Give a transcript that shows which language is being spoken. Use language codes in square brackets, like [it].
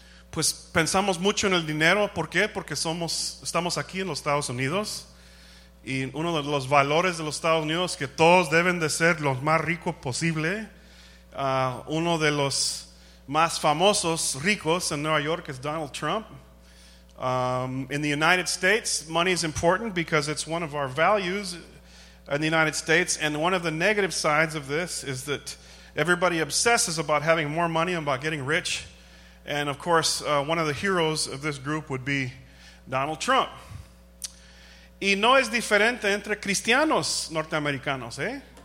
[es] Pues pensamos mucho en el dinero. ¿Por qué? Porque estamos aquí en los Estados Unidos. Y uno de los valores de los Estados Unidos es que todos deben de ser los más ricos posible. Uno de los más famosos ricos en Nueva York es Donald Trump. [en] In the United States, money is important because it's one of our values in the United States, and one of the negative sides of this is that everybody obsesses about having more money and about getting rich, and of course, one of the heroes of this group would be Donald Trump. [es] Y no es diferente entre cristianos norteamericanos, ¿eh?